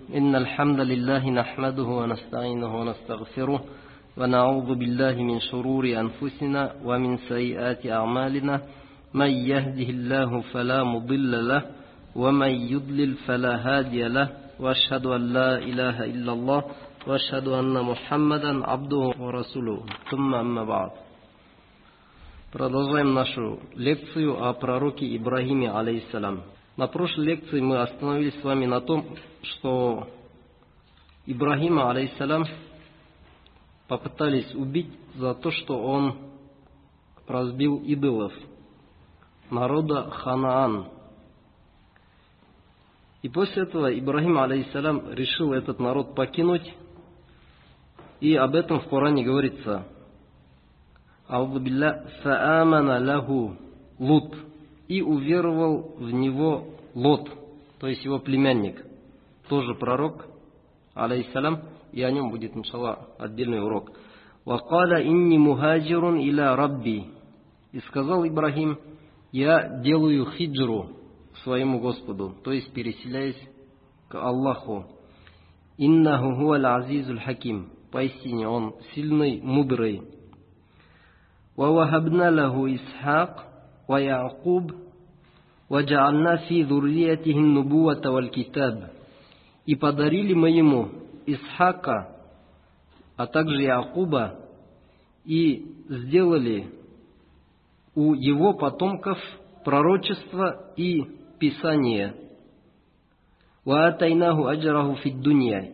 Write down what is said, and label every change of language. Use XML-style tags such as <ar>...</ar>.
<ar>إن الحمد لله نحمده ونستعينه ونستغفره ونعوذ بالله من شرور أنفسنا ومن سيئات أعمالنا. من يهده الله فلا مضل له ومن يضلل فلا هادي له. وأشهد أن لا إله إلا الله وأشهد أن محمدا عبده ورسوله. ثم أما بعد.</ar> <ru>Продолжаем нашу лекцию о пророке Ибрагиме, алейхиссалям. На прошлой лекции мы остановились с вами на том, что Ибрагима, алейхиссалям, попытались убить за то, что он разбил идолов народа Ханаан. И после этого Ибрагим, алейхиссалям, решил этот народ покинуть. И об этом в Коране говорится.</ru> <ar>Саамана лаху Лут.</ar> <ru>И уверовал в него Лот, то есть его племянник, тоже пророк, алейхиссалям, и о нем будет, иншалла, отдельный урок.</ru> <ar>Вакала инни мухаджирун иля Рабби.</ar> <ru>И сказал Ибрагим, я делаю хиджру к своему Господу, то есть переселяясь к Аллаху.</ru> <ar>Иннаху хуа л'азизуль хаким.</ar> <ru>Поистине он сильный, мудрый.</ru> <ar>ووهبنا له إسحاق ويعقوب وجعلنا في ذريته النبوة والكتاب.</ar> <ru>И подарили мы ему Исхака, а также Якуба, и сделали у его потомков пророчество и писание.</ru> <ar>وآتيناه أجره في الدنيا.</ar>